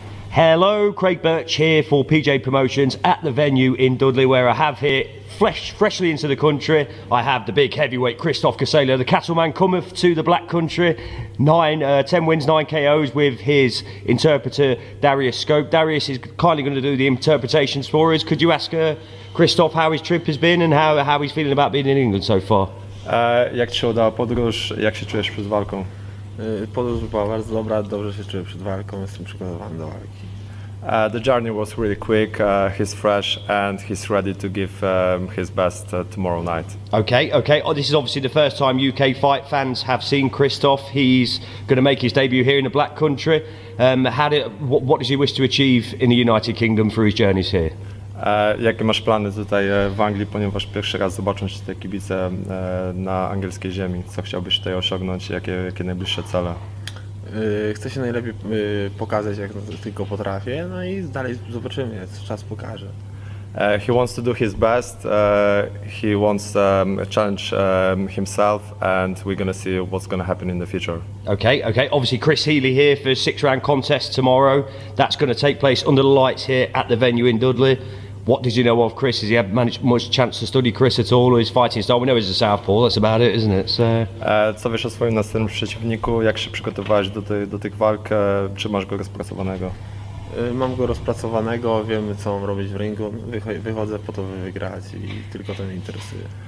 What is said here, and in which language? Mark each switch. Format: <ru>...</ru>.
<en>Hello, Craig Birch here for PJ Promotions at the venue in Dudley, where I have here, freshly into the country, I have the big heavyweight Krzysztof Kosela, the Cattleman cometh to the black country. 10 wins, 9 KOs with his interpreter, Dariusz Scope. Dariusz is kindly going to do the interpretations for us. Could you ask Krzysztof how his trip has been and how he's feeling about being in England so far?</en> <pl>Jak ci się udała podróż? Jak się czujesz przed walką? Podróż była bardzo dobra, dobrze się czuję przed walką, jestem przygotowany do walki.</pl> <en>The journey was really quick, he's fresh and he's ready to give his best tomorrow night. Okay. Oh, this is obviously the first time UK fight fans have seen Krzysztof. He's going to make his debut here in the black country. What does he wish to achieve in the United Kingdom through his journeys here?</en> <pl>Jakie masz plany tutaj w Anglii, ponieważ pierwszy raz zobaczą się te kibice na angielskiej ziemi? Co chciałbyś tutaj osiągnąć? Jakie najbliższe cele? Chcę się najlepiej pokazać, jak tylko potrafię, no i dalej zobaczymy, czas pokaże.</pl> <en>He wants to do his best, he wants to challenge himself, and we're going to see what's going to happen in the future. Okay, obviously Chris Healey here for a 6-round contest tomorrow. That's going to take place under the lights here at the venue in Dudley. What did you know of Chris? Has he had much chance to study Chris at all, or his fighting style? We know he's a southpaw, that's about it, isn't it? So.</en> <pl>Co wiesz o swoim następnym przeciwniku? Jak się przygotowałeś do tych walk? Czy masz go rozpracowanego? Mam go rozpracowanego, wiem co mam robić w ringu, wychodzę po to, by wygrać i tylko to mnie interesuje.</pl>